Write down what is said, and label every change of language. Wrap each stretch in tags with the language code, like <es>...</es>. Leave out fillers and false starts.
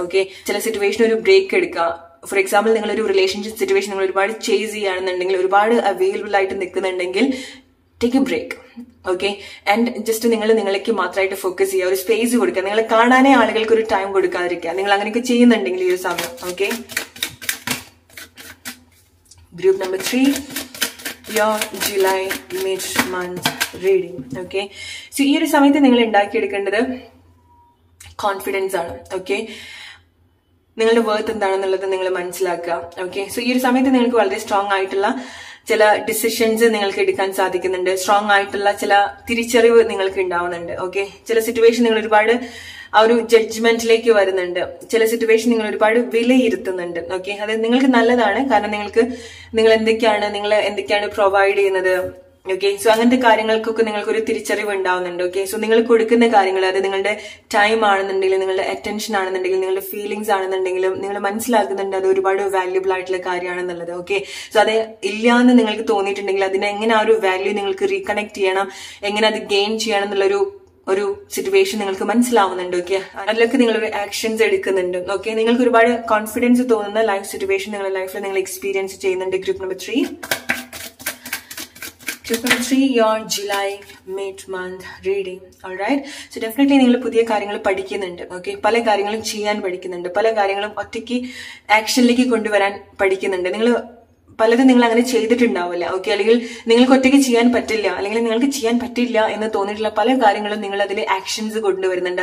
<ml>Okay, ചില situation ഒരു break എടുക്കുക. ഫോർ എക്സാമ്പിൾ, നിങ്ങളൊരു റിലേഷൻഷിപ്പ് സിറ്റുവേഷൻ നിങ്ങൾ ഒരുപാട് ചേസ് ചെയ്യുകയാണെന്നുണ്ടെങ്കിൽ, ഒരുപാട് അവൈലബിൾ ആയിട്ട് നിൽക്കുന്നുണ്ടെങ്കിൽ,</ml> <en>Take a break.</en> <ml>Okay, and just നിങ്ങൾ നിങ്ങളേക്ക് മാത്രമായിട്ട് ഫോക്കസ് ചെയ്യുക, ഒരു സ്പേസ് കൊടുക്കുക. നിങ്ങൾ കാണാനേ ആളുകൾക്ക് ഒരു ടൈം കൊടുക്കാതിരിക്കുക, നിങ്ങൾ അങ്ങനെയൊക്കെ ചെയ്യുന്നുണ്ടെങ്കിൽ ഈ ഒരു സമയം.</ml> <en>Okay, group number 3, your July mid month reading.</en> <ml>Okay, so ഈ ഒരു സമയത്ത് നിങ്ങൾ ഉണ്ടാക്കി എടുക്കേണ്ടത് കോൺഫിഡൻസ് ആണ്. ഓക്കെ, നിങ്ങളുടെ വർത്ത് എന്താണെന്നുള്ളത് നിങ്ങൾ മനസ്സിലാക്കുക. ഓക്കെ, സോ ഈ ഒരു സമയത്ത് നിങ്ങൾക്ക് വളരെ സ്ട്രോങ് ആയിട്ടുള്ള ചില ഡിസിഷൻസ് നിങ്ങൾക്ക് എടുക്കാൻ സാധിക്കുന്നുണ്ട്. സ്ട്രോങ് ആയിട്ടുള്ള ചില തിരിച്ചറിവ് നിങ്ങൾക്ക് ഉണ്ടാവുന്നുണ്ട്. ഓക്കെ, ചില സിറ്റുവേഷൻ നിങ്ങൾ ഒരുപാട് ആ ഒരു ജഡ്ജ്മെന്റിലേക്ക് വരുന്നുണ്ട്. ചില സിറ്റുവേഷൻ നിങ്ങൾ ഒരുപാട് വിലയിരുത്തുന്നുണ്ട്. ഓക്കെ, അത് നിങ്ങൾക്ക് നല്ലതാണ്, കാരണം നിങ്ങൾക്ക് നിങ്ങൾ എന്തൊക്കെയാണ് പ്രൊവൈഡ് ചെയ്യുന്നത്. ഓക്കെ, സോ അങ്ങനത്തെ കാര്യങ്ങൾക്കൊക്കെ നിങ്ങൾക്കൊരു തിരിച്ചറിവ് ഉണ്ടാവുന്നുണ്ട്. ഓക്കെ, സോ നിങ്ങൾ കൊടുക്കുന്ന കാര്യങ്ങൾ, അത് നിങ്ങളുടെ ടൈം ആണെന്നുണ്ടെങ്കിലും നിങ്ങളുടെ അറ്റൻഷൻ ആണെന്നുണ്ടെങ്കിലും നിങ്ങളുടെ ഫീലിങ്സ് ആണെന്നുണ്ടെങ്കിലും നിങ്ങൾ മനസ്സിലാക്കുന്നുണ്ട് അത് ഒരുപാട് വാല്യുബിൾ ആയിട്ടുള്ള കാര്യമാണെന്നുള്ളത്. ഓക്കെ, സോ അത് ഇല്ലാന്ന് നിങ്ങൾക്ക് തോന്നിയിട്ടുണ്ടെങ്കിൽ അതിനെ എങ്ങനെ ആ ഒരു വാല്യൂ നിങ്ങൾക്ക് റീകണക്ട് ചെയ്യണം, എങ്ങനെ അത് ഗെയിൻ ചെയ്യണം എന്നുള്ളൊരു ഒരു സിറ്റുവേഷൻ നിങ്ങൾക്ക് മനസ്സിലാവുന്നുണ്ട്. ഓക്കെ, അതിലൊക്കെ നിങ്ങളൊരു ആക്ഷൻസ് എടുക്കുന്നുണ്ട്. ഓക്കെ, നിങ്ങൾക്ക് ഒരുപാട് കോൺഫിഡൻസ് തോന്നുന്ന ലൈഫ് സിറ്റുവേഷൻ നിങ്ങളുടെ ലൈഫിൽ നിങ്ങൾ എക്സ്പീരിയൻസ് ചെയ്യുന്നുണ്ട്.</ml> <en>Group number 3. Your July mid-month reading. Alright?</en> <ml>So definitely നിങ്ങൾ പുതിയ കാര്യങ്ങൾ പഠിക്കുന്നുണ്ട്. ഓക്കെ, പല കാര്യങ്ങളും ചെയ്യാൻ പഠിക്കുന്നുണ്ട്, പല കാര്യങ്ങളും ഒറ്റയ്ക്ക് ആക്ഷനിലേക്ക് കൊണ്ടുവരാൻ പഠിക്കുന്നുണ്ട്. നിങ്ങൾ പലതും നിങ്ങൾ അങ്ങനെ ചെയ്തിട്ടുണ്ടാവില്ല. ഓക്കെ, അല്ലെങ്കിൽ നിങ്ങൾക്ക് ഒറ്റയ്ക്ക് ചെയ്യാൻ പറ്റില്ല, അല്ലെങ്കിൽ നിങ്ങൾക്ക് ചെയ്യാൻ പറ്റില്ല എന്ന് തോന്നിയിട്ടുള്ള പല കാര്യങ്ങളും നിങ്ങൾ അതിൽ ആക്ഷൻസ് കൊണ്ടുവരുന്നുണ്ട്.</ml>